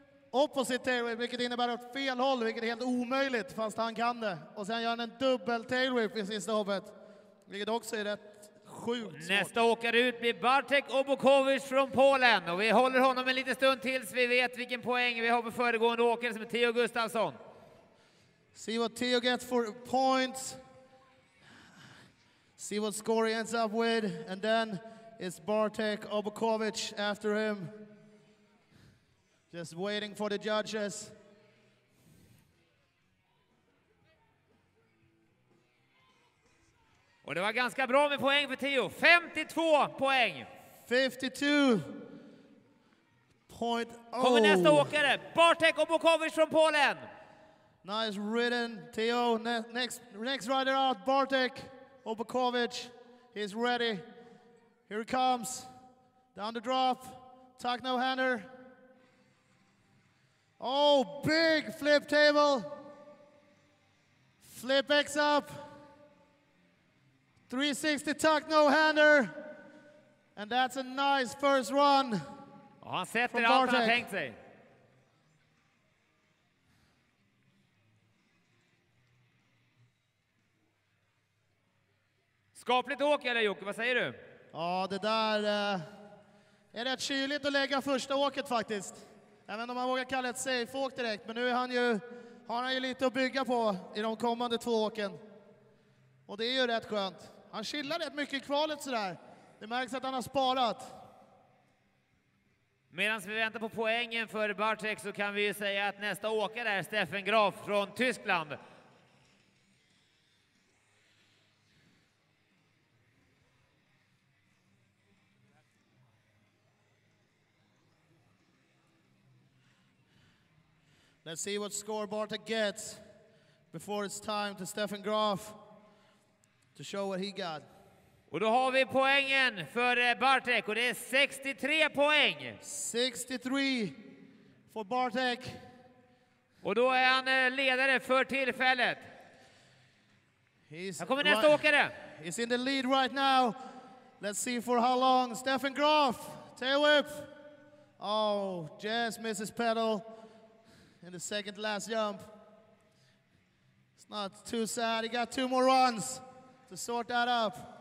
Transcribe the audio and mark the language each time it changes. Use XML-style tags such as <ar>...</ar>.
<sv>Opposite tail whip, vilket innebär ett fel håll, vilket är helt omöjligt, fast han kan det. Och sen gör han en dubbel tail whip i sista hoppet, vilket också är rätt sjukt. Nästa åkare ut blir Bartek Obukovic från Polen. Och vi håller honom en liten stund tills vi vet vilken poäng vi har på föregående åkare som är Theo Gustafsson.</sv> <en>See what Theo gets for points. See what score he ends up with. And then it's Bartek Obukovic after him. Just waiting for the judges.</en> <sv>Och det var ganska bra med poäng för Theo. 52 poäng. 52.0. Kommer nästa åkare. Bartek Obukovic från Polen.</sv> <en>Nice ridden, Theo. Next rider out, Bartek Obukovic. He's ready. Here he comes. Down the drop. Tuck no hander. Oh, big flip table. Flip X up. 360 tuck no hander. And that's a nice first run.</en> <sv>Oh, han sätter allt han tänkt sig. Skapligt åk eller Jocke, vad säger du? Ja, det där är rätt kyligt att lägga första åket faktiskt. Även om man vågar kalla det safe åk direkt, men nu är han har ju lite att bygga på i de kommande två åken. Och det är ju rätt skönt. Han chillar rätt mycket i kvalet sådär. Det märks att han har sparat. Medan vi väntar på poängen för Bartek så kan vi ju säga att nästa åkare är Steffen Graf från Tyskland.</sv> <en>Let's see what score Barta gets before it's time to Stefan Graf to show what he got.</en> <sv>Och då har vi poängen för Bartek och det är 63 poäng. 63 för Bartek. Och då är han ledare för tillfället. Här kommer nästa åkare.</sv> <en>He's in the lead right now. Let's see for how long. Stefan Graf, tail whip. Oh, Jess misses pedal in the second last jump. It's not too sad. He got two more runs to sort that up.</en>